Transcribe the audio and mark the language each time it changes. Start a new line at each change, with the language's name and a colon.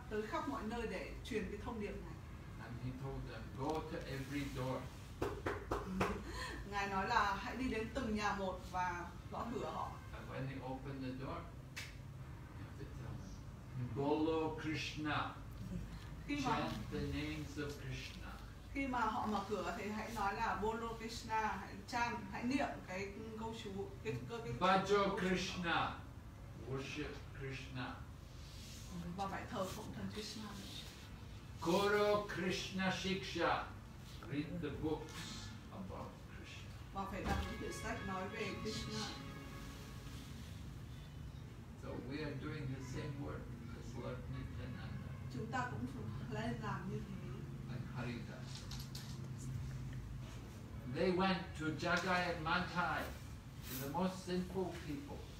Vietnamese: tới khắp mọi nơi để truyền cái thông điệp này.
English: He told them, go to every door.
Vietnamese: Ngài nói là hãy đi đến từng nhà một và gõ cửa họ.
English: And when they open the door, you have to tell them,
Bangla: Bolo Krishna.
English: Chant the names of Krishna.
Vietnamese: Khi mà họ mở cửa thì hãy nói là
Bangla: Bolo Krishna,
Vietnamese: hãy niệm cái câu chú.
Bangla: Bajo Krishna.
English: Worship Krishna.
Vietnamese: Và phải thờ phụng thần Krishna.
Bangla: Guru Krishna Shiksha,
English: read the books about Krishna.
Vietnamese: Và phải đọc những quyển sách nói về Krishna.
English: So we are doing the same work as Lord Nityananda.
Vietnamese: Chúng ta cũng phải làm như thế.
English: And Haridas. They went to Jagai and Mantai, to the most simple people.